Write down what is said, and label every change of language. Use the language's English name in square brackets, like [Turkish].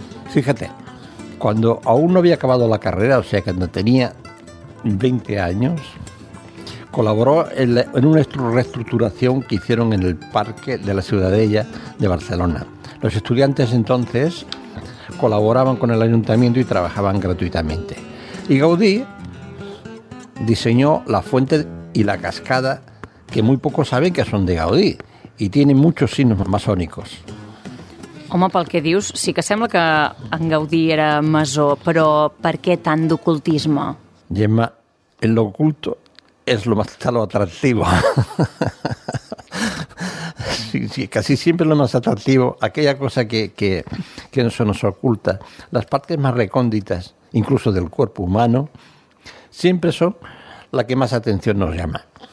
[Spanish] Fíjate, cuando aún no había acabado la carrera, o sea, cuando tenía 20 años, colaboró en una reestructuración que hicieron en el Parque de la Ciudadella de Barcelona. Los estudiantes entonces colaboraban con el ayuntamiento y trabajaban gratuitamente. Y Gaudí diseñó la fuente y la cascada, que muy pocos saben que son de Gaudí y tienen muchos signos masónicos. [Catalan] Home, pel que dius, sí que sembla que en Gaudí era masó, però per què tant d'ocultisme? [Spanish] Gemma, el oculto es lo más atractivo. Sí, casi siempre lo más atractivo, aquella cosa que no se nos oculta, las partes más recónditas, incluso del cuerpo humano, siempre son la que más atención nos llama.